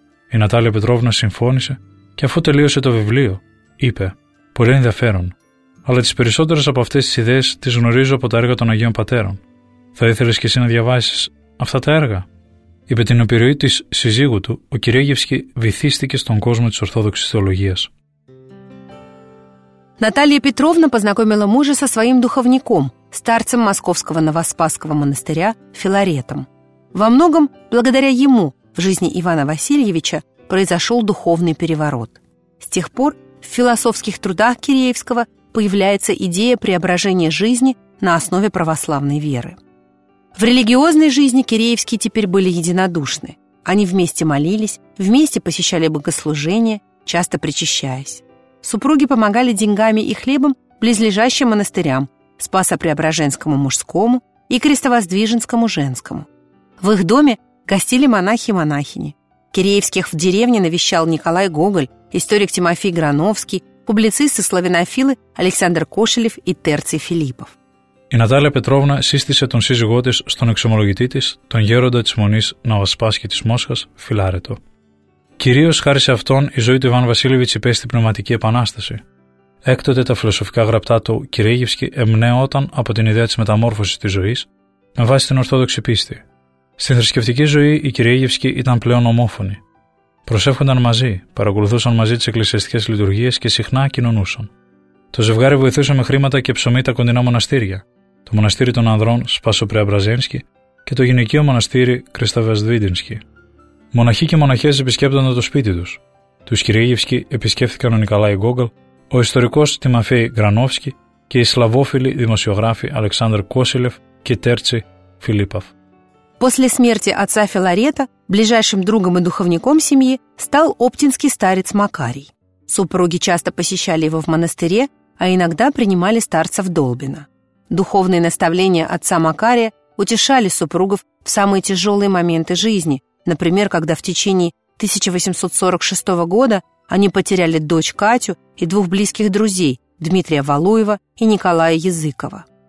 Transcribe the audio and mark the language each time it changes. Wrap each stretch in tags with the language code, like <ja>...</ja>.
<el>Η Νατάλια Πετρόβνα συμφώνησε και αφού τελείωσε το βιβλίο, είπε: «Πολύ ενδιαφέρον, αλλά τις περισσότερες από αυτές τις ιδέες τις γνωρίζω από τα έργα των Αγίων Πατέρων. Θα ήθελες και εσύ να διαβάσεις αυτά τα έργα?» Υπό την επιρροή της σύζυγου του, ο Κυρίγευσκι βυθίστηκε στον κόσμο της Ορθόδοξης Θεολογίας.</el> <ru>Наталья Петровна познакомила мужа со своим духовником, старцем Московского Новоспасского монастыря Филаретом. Во многом благодаря ему в жизни Ивана Васильевича произошел духовный переворот. С тех пор в философских трудах Киреевского появляется идея преображения жизни на основе православной веры. В религиозной жизни Киреевские теперь были единодушны. Они вместе молились, вместе посещали богослужения, часто причащаясь. Супруги помогали деньгами и хлебом близлежащим монастырям – Спасо-Преображенскому мужскому и Крестовоздвиженскому женскому. В их доме гостили монахи и монахини. Киреевских в деревне навещал Николай Гоголь, историк Тимофей Грановский, публицисты славянофилы Александр Кошелев и Терций Филиппов.</ru> <el>И Наталья Петровна сыстисе тон сизиго тес стон эксомологити тес, тон герода тес монис Новоспаски тес Мосхас Филарето. Κυρίως χάρη σε αυτόν η ζωή του Ιβάν Βασίλεβιτς υπέστη πνευματική επανάσταση. Έκτοτε τα φιλοσοφικά γραπτά του Κυρίγευσκι εμπνεόταν από την ιδέα της μεταμόρφωσης της ζωής με βάση την Ορθόδοξη πίστη. Στην θρησκευτική ζωή οι Κυρίγευσκοι ήταν πλέον ομόφωνοι. Προσεύχονταν μαζί, παρακολουθούσαν μαζί τις εκκλησιαστικές λειτουργίες και συχνά κοινωνούσαν. Το ζευγάρι βοηθούσε με χρήματα και ψωμί τα κοντινά μοναστήρια, το μοναστήρι των ανδρών Σπάσο-Πρεαμπραζένσκι και το γυναικείο μοναστήρι Κρεσταβεσδίτινσκι. Μοναχοί και μοναχές επισκέπτονταν το σπίτι τους. Τους Κυρίγευσκι επισκέφθηκαν ο Νικολάη Γκόγκαλ, ο ιστορικός Τιμαφέη Γρανόφσκι και οι σλαβόφιλοι δημοσιογράφοι Αλεξάνδρ Κόσελεφ και Τέρτσι Φιλίπαφ.</el> <ru>После смерти отца Филарета ближайшим другом и духовником семьи стал оптинский старец Макарий. Супруги часто посещали его в монастыре, а иногда принимали старца в Долбино. Духовные наставления отца Макария утешали супругов в самые тяжелые моменты жизни, например, когда в течение 1846 года они потеряли дочь Катю и двух близких друзей Дмитрия Валуева и Николая Языкова.</ru>